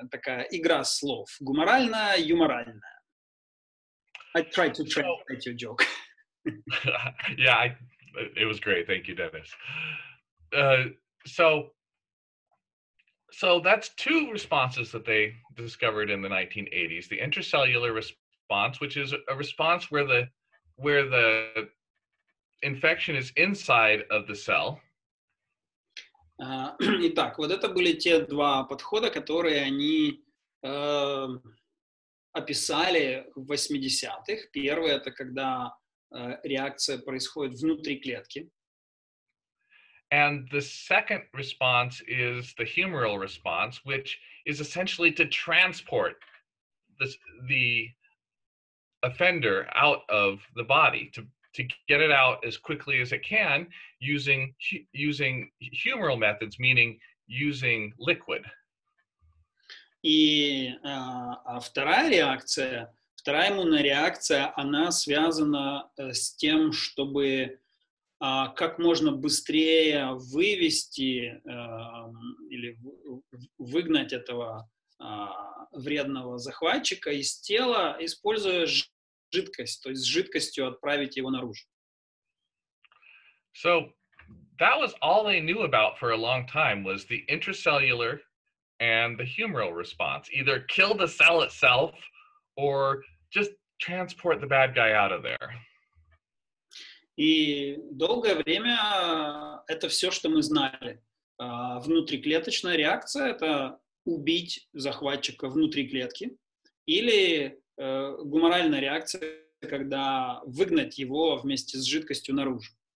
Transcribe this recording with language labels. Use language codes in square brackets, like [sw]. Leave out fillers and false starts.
[ru] Такая игра слов. Гуморальная, юморальная. [en] I tried to translate your joke. Yeah, it was great. Thank you, Dennis. So that's two responses that they discovered in the 1980s. The intracellular response, which is a response where the infection is inside of the cell. [ru] Итак, вот это были те два подхода, которые они описали в 80-х. Первый — это когда реакция происходит внутри клетки. [en] And the second response is the humoral response, which is essentially to transport the offender out of the body, to get it out as quickly as it can using humoral methods, meaning using liquid. [ru] И вторая иммунная реакция, она связана с тем, чтобы как можно быстрее вывести или выгнать этого вредного захватчика из тела, используя жидкость, то есть жидкостью отправить его наружу. [en] So that was all they knew about for a long time was the intracellular and the humoral response. Either kill the cell itself or just transport the bad guy out of there. [ru] И долгое время это все, что мы знали. Внутриклеточная реакция — это убить захватчика внутри клетки, или гуморальная реакция, когда выгнать его вместе с жидкостью наружу.